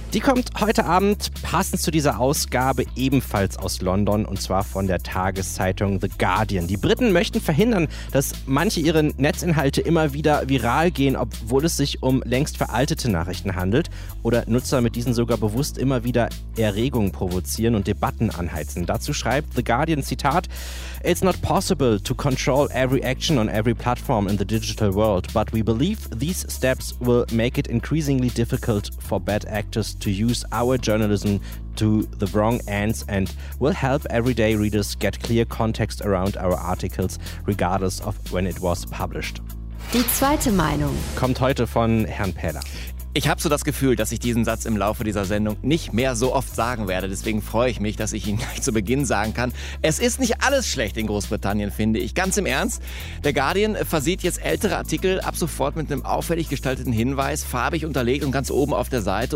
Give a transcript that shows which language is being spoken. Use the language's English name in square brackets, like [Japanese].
[German] Die kommt heute Abend passend zu dieser Ausgabe ebenfalls aus London und zwar von der Tageszeitung The Guardian. Die Briten möchten verhindern, dass manche ihre Netzinhalte immer wieder viral gehen, obwohl es sich um längst veraltete Nachrichten handelt oder Nutzer mit diesen sogar bewusst immer wieder Erregung provozieren und Debatten anheizen. Dazu schreibt The Guardian, Zitat, [English] "It's not possible to control every action on every platform in the digital world, but we believe these steps will make it increasingly difficult for bad actors to use our journalism to the wrong ends and will help everyday readers get clear context around our articles, regardless of when it was published." [German] Die zweite Meinung kommt heute von Herrn Pähler. Ich habe so das Gefühl, dass ich diesen Satz im Laufe dieser Sendung nicht mehr so oft sagen werde. Deswegen freue ich mich, dass ich ihn gleich zu Beginn sagen kann. Es ist nicht alles schlecht in Großbritannien, finde ich. Ganz im Ernst, der Guardian versieht jetzt ältere Artikel ab sofort mit einem auffällig gestalteten Hinweis, farbig unterlegt und ganz oben auf der Seite.